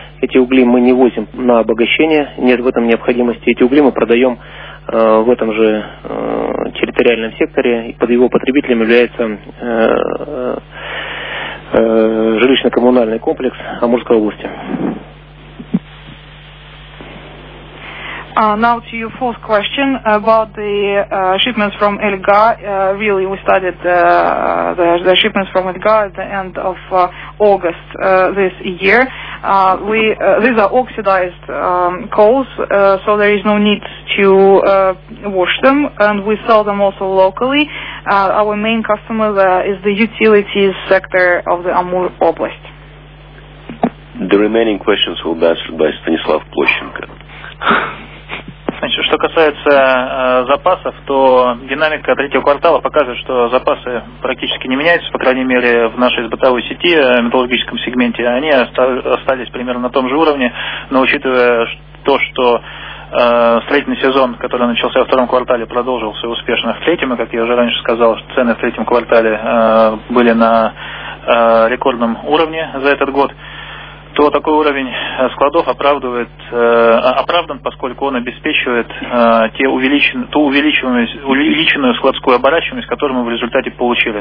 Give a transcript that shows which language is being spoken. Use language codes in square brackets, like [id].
[ru] Эти угли мы не возим на обогащение, нет в этом необходимости. Эти угли мы продаем в этом же территориальном секторе, и под его потребителем является жилищно-коммунальный комплекс Амурской области. [en] Now to your fourth question about the shipments from Elga. Really, we started the shipments from Elga at the end of August this year. These are oxidized coals, so there is no need to wash them, and we sell them also locally. Our main customer is the utilities sector of the Amur Oblast. The remaining questions will be answered by Stanislav Plushenko. [ru] Значит, что касается запасов, то динамика третьего квартала показывает, что запасы практически не меняются, по крайней мере, в нашей сбытовой сети, металлургическом сегменте. Они остались примерно на том же уровне, но учитывая то, что строительный сезон, который начался во втором квартале, продолжился успешно в третьем, и, как я уже раньше сказал, цены в третьем квартале были на рекордном уровне за этот год, то такой уровень складов оправдан, поскольку он обеспечивает увеличенную складскую оборачиваемость, которую мы в результате получили.